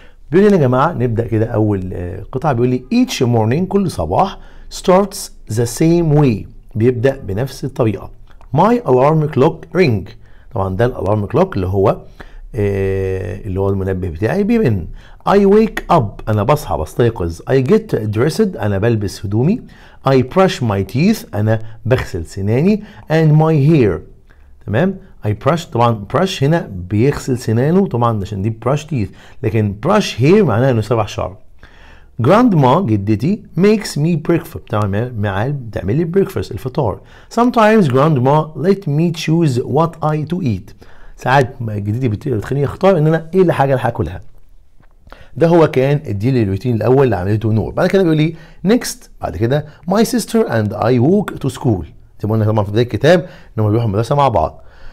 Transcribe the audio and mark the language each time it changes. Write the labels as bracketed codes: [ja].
[ar] بيقول هنا يا جماعة نبدأ كده اول قطعة، بيقول لي [en] each morning [ar] كل صباح [en] starts the same way، [ar] بيبدأ بنفس الطريقة. [en] my alarm clock ring. [ar] طبعا ده الالارم كلوك اللي هو اللي هو المنبه بتاعي بيرن. [en] I wake up, [ar] انا بصحى بستيقظ. [en] I get dressed, [ar] انا بلبس هدومي. [en] I brush my teeth, [ar] انا بغسل سناني. [en] And my hair, تمام. [ar] I brush, طبعا brush هنا بيغسل سنانه طبعا عشان دي [en] brush teeth, [ar] لكن [en] brush hair [ar] معناها انه سبع شعر. [en] Grandma, [ar] جدتي, [en] makes me breakfast, [ar] بتعمل لي [en] breakfast, [ar] الفطار. [en] Sometimes grandma let me choose what I to eat, [ar] ساعات جدتي بتخليني اختار ان انا ايه اللي حاجه هاكلها. ده هو كان الديلي الروتين الاول اللي عملته نور. بعد كده بيقول لي next, بعد كده [en] my sister and I walk to school. [ar] زي ما قلنا طبعا في بدايه الكتاب ان هم بيروحوا المدرسه مع بعض.